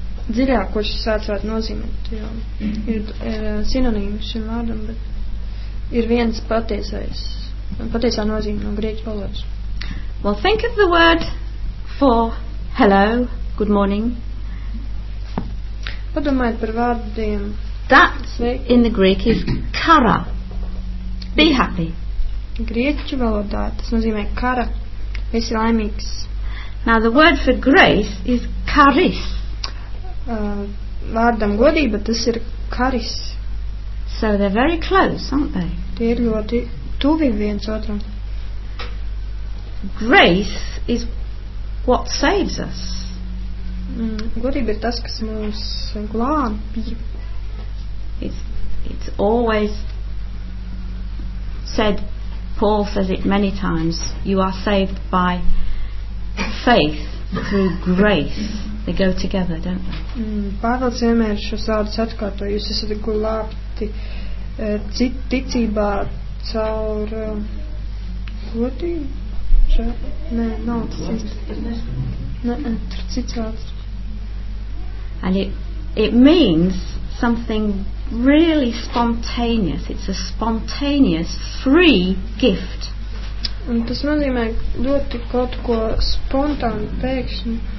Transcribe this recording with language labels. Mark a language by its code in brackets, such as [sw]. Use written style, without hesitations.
[lv] Dziļāk, ko šis vārds varētu nozīmēt, jo ir sinonīmi šim vārdam, bet ir viens patiesais, patiesā nozīme no grieķu valodas. [en] Well, think of the word for hello, good morning. [lv] Padomājiet par vārdiem. [en] That in the Greek is kara. Be happy. [lv] Grieķu valodā tas nozīmē kara. Esi laimīgs. [en] Now, the word for grace is karis. [lv] Vārdam godība, tas ir karis. [en] So they're very close, aren't they? [lv] Tie ir ļoti tuvi viens otram. [en] Grace is what saves us. [lv] Godība ir tas, kas mūs glābj. [en] It's always said, Paul says it many times, you are saved by faith through grace. They go together, don't they? [lv] Pāvils vienmēr šo sādus atkārto. Jūs esat glābti ticībā caur godību? Nē, nav tas cits vārds. [en] And it means something really spontaneous. It's a spontaneous, free gift. [lv] Un tas nozīmē ļoti kaut ko spontāni pēkšņi.